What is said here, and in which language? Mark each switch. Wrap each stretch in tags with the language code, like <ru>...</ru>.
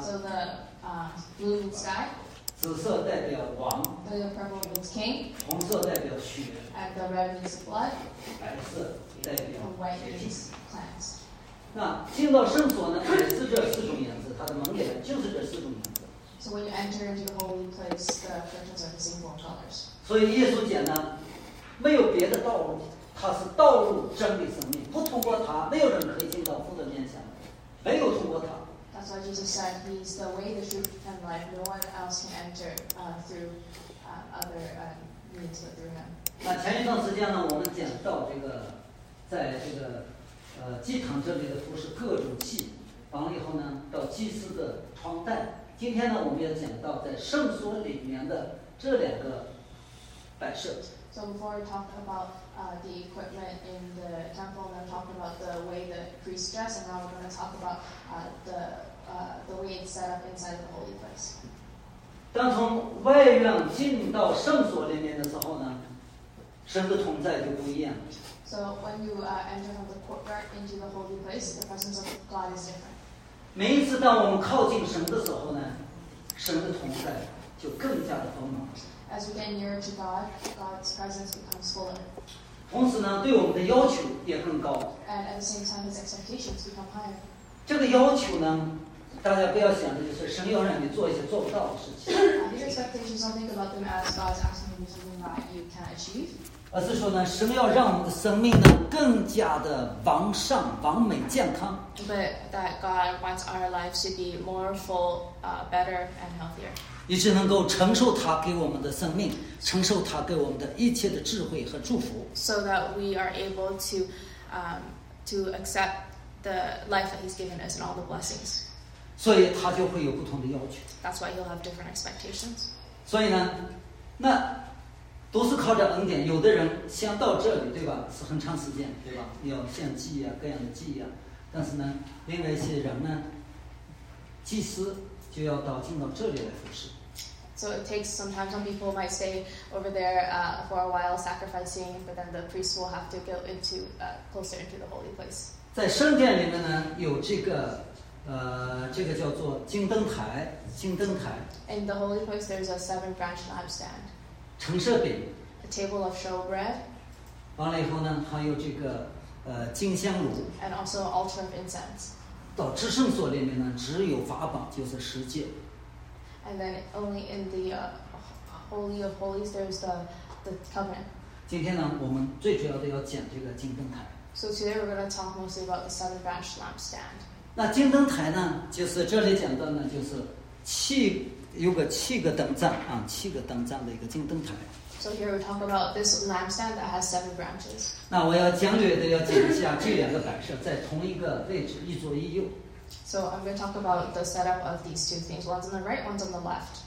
<en>？So the blue sky.</en> <zh>紫色代表王。</zh> <en>The purple means king.</en> <zh>红色代表血。</zh> <en>And the red means blood.</en> <zh>白色代表洁净。那进到圣所呢，也是这四种颜色，它的门脸就是这四种颜色。</zh> <en>So when you enter into the holy place, the curtains are the same four colors.</en> <zh>所以耶稣讲呢，没有别的道路，它是道路、真理、生命，不通过它，没有人可以进到父的面前，没有通过它。</zh> <en>That's why Jesus said, "He is the way, the truth, and life. No one else can enter through other means but through Him."</en> <zh>那前一段时间呢，我们讲到这个，在这个祭坛这里的服侍各种器，完了以后呢，到祭司的穿戴。今天呢，我们要讲到在圣所里面的这两个摆设。</zh> <en>So before we talk about the equipment in the temple, we're going to talk about the way the priest dress, and now we're going to talk about the way it's set up inside the holy place.</en> <zh>当从外院进到圣所里面的时候呢？神的同在就不一样了。</zh> <en>So when you enter from the courtyard into the holy place, the presence of God is different.</en> <zh>每一次当我们靠近神的时候呢，神的同在就更加的丰满。</zh> <en>As we get nearer to God, God's presence becomes fuller.</en> <zh>同时呢，对我们的要求也更高。</zh> <en>And at the same time, His expectations become higher.</en> <zh>这个要求呢，大家不要想着就是神要让你做一些做不到的事情。</zh> <en>These expectations don't think about them as God's asking you to do something that you can't achieve.</en> <zh>而是说呢，神要让我们的生命呢更加的完善、完美、健康。</zh> <en>But that God wants our lives to be more full, better and healthier.</en> <zh>以致能够承受他给我们的生命，承受他给我们的一切的智慧和祝福。</zh> <en>So that we are able to accept the life that He's given us and all the blessings.</en> <zh>所以他就会有不同的要求。</zh> <en>That's why you'll have different expectations.</en> <zh>所以呢，那都是靠着恩典。有的人先到这里，对吧？是很长时间，对吧？要献祭啊，各样的祭啊。但是呢，另外一些人呢，祭司就要到进到这里来服侍。</zh> <en>So it takes sometimes, some people might stay over there for a while sacrificing, but then the priest will have to go into closer into the holy place.</en> <zh>在圣殿里面呢，有这个，这个叫做金灯台，金灯台。</zh> <en>In the holy place, there's a seven-branch lampstand.</en> <zh>橙色饼。</zh> <en>A table of showbread.</en> <zh>完了以后呢，还有这个，金香炉。</zh> <en>And also an altar of incense.</en> <zh>到至圣所里面呢，只有法宝，就是十诫。</zh> <en>And then only in the holy of holies, there's the covenant.</en> <zh>今天呢，我们最主要的要讲这个金灯台。</zh> <en>So today we're going to talk mostly about the seven branch lampstand.</en> <zh>那金灯台呢，就是这里讲到呢，就是七有个七个灯盏啊，七个灯盏的一个金灯台。</zh> <en>So here we talk about this lampstand that has seven branches.</en> <zh>那我要简略的要讲一下这两个摆设在同一个位置，一左一右。</zh> <en>So I'm going to talk about the setup of these two things. One's on the right, one's on the left.</en>